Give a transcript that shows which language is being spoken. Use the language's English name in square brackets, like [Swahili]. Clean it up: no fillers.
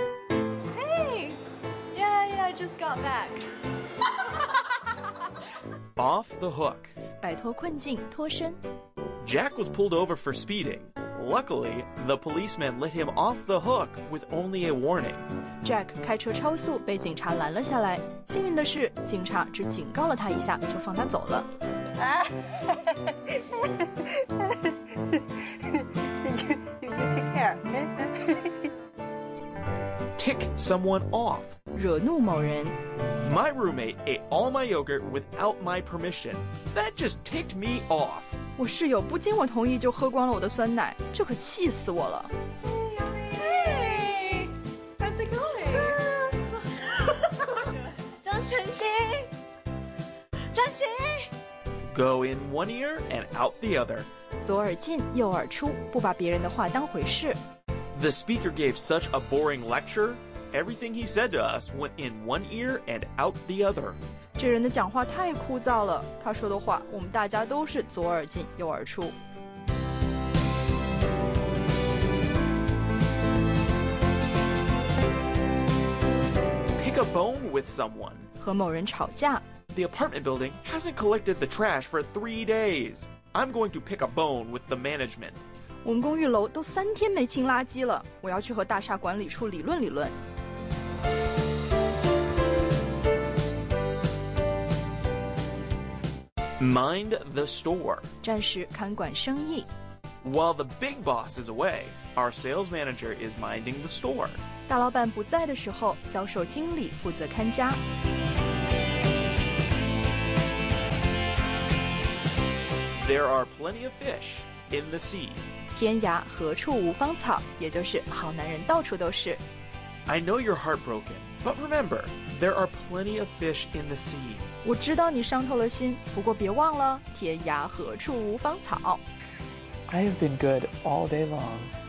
[English] Hey! Yeah, I just got back. Off the hook. [Chinese] 摆脱困境，脱身。 [English] Jack was pulled over for speeding. Luckily, the policeman let him off the hook with only a warning. [Chinese] Jack 开车超速被警察拦了下来。幸运的是，警察只警告了他一下，就放他走了。 [English] You take care. Tick someone off. [Chinese] 惹怒某人。 [English] My roommate ate all my yogurt without my permission. That just ticked me off. [Chinese] 我室友不经我同意就喝光了我的酸奶，这可气死我了。 [English] Hey, how's it going? 张晨星，张星。 Go in one ear and out the other. [Chinese] 左耳进右耳出，不把别人的话当回事。 [English] The speaker gave such a boring lecture. Everything he said to us went in one ear and out the other. [Chinese] 这人的讲话太枯燥了，他说的话，我们大家都是左耳进右耳出。 [English] Pick a phone with someone. [Chinese] 和某人吵架。 [English] The apartment building hasn't collected the trash for 3 days. I'm going to pick a bone with the management. [Chinese] 我们公寓楼都三天没清垃圾了，我要去和大厦管理处理论理论。 [English] Mind the store. [Chinese] 暂时看管生意。 [English] While the big boss is away, our sales manager is minding the store. [Chinese] 大老板不在的时候，销售经理负责看家。 [English] There are plenty of fish in the sea. [Chinese] 天涯何处无芳草，也就是好男人到处都是。 [English] I know you're heartbroken, but remember, there are plenty of fish in the sea. [Chinese] 我知道你伤透了心，不过别忘了，天涯何处无芳草。 [English] I have been good all day long.